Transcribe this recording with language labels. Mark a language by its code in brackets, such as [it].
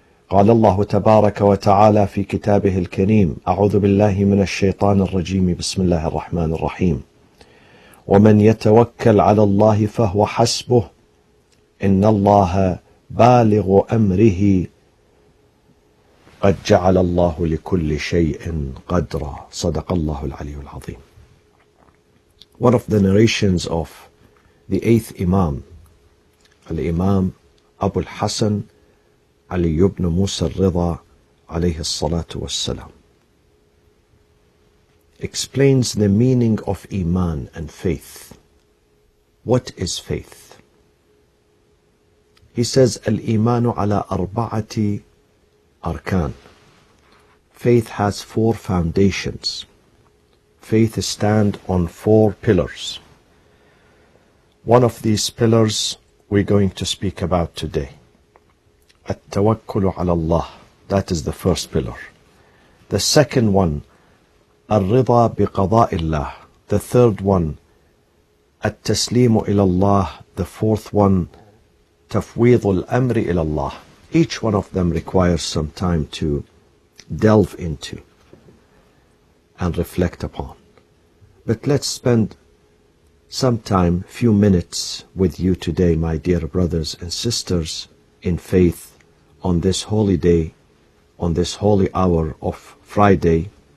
[ar] قال الله تبارك وتعالى في كتابه الكريم: أعوذ بالله من الشيطان الرجيم، بسم الله الرحمن الرحيم. ومن يتوكل على الله فهو حسبه، إن الله بالغ أمره، قد جعل الله لكل شيء قدرا. صدق الله العلي العظيم. [en] One of the narrations of the eighth Imam, الإمام أبو الحسن علي بن موسى الرضا عليه الصلاة والسلام, explains the meaning of iman and faith. What is faith? He says [ar] الإيمان على أربعة أركان. [en] Faith has four foundations. Faith stands on four pillars. One of these pillars we're going to speak about today. [ar] التوكل على الله, [en] that is the first pillar. The second one, [ar] الرضا بقضاء الله. [en] The third one, [ar] التسليم إلى الله. [en] The fourth one, [ar] تفويض الأمر إلى الله. [en] Each one of them requires some time to delve into and reflect upon. But let's spend some time, few minutes with you today, my dear brothers and sisters, in faith, on this holy day, on this holy hour of Friday.